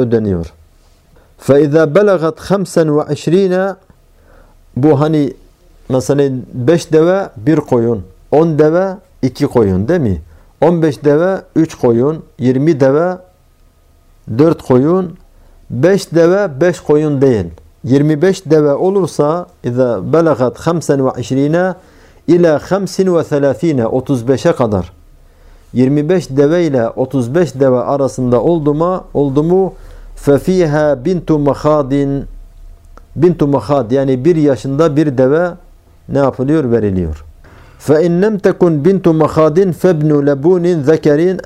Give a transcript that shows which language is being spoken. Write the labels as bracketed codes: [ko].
[tr] Ödeniyor. [ar] فَإِذَا بَلَغَتْ خَمْسًا وَعَشْرِينَ. [tr] Bu hani mesela 5 deve bir koyun, 10 deve 2 koyun değil mi? 15 deve 3 koyun, 20 deve 4 koyun, 5 deve 5 koyun değil. 25 deve olursa [ar] اِذَا بَلَغَتْ خَمْسًا وَعِشْرِينَ اِلَى خَمْسٍ وَثَلَاثِينَ. [tr] 35'e kadar. 25 deve ile 35 deve arasında oldu mu [ar] فَفِيهَا بِنْتُ مَخَادٍ. [tr] بِنْتُ مَخَادٍ yani bir yaşında bir deve ne yapılıyor? Veriliyor. [ar] فَاِنْ لَمْ تَكُنْ بِنْتُ مَخَادٍ فَبْنُ لَبُونٍ ذَكَرٍ.